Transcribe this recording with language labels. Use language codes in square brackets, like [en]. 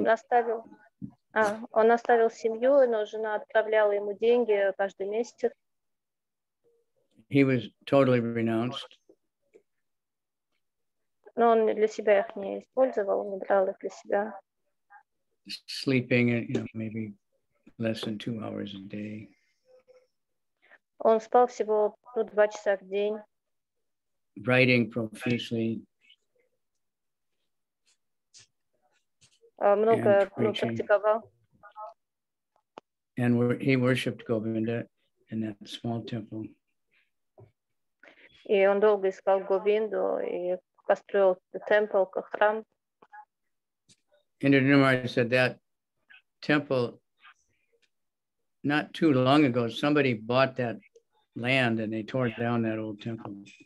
[ru] Он оставил семью, но жена отправляла ему деньги каждый месяц. [en] He was totally renounced. [ru] Но он для себя их не использовал, не брал их для себя. [en] Sleeping, you know, maybe less than 2 hours a day. [ru] Он спал всего 2 часа в день. [en] Writing profusely. [ru] Много практиковал. [en] And he worshipped Govinda in that small temple. [ru] И он долго искал Говинду и построил temple, храм. [en] Indra Nirmala said that temple not too long ago, somebody bought that land and they tore down that old temple.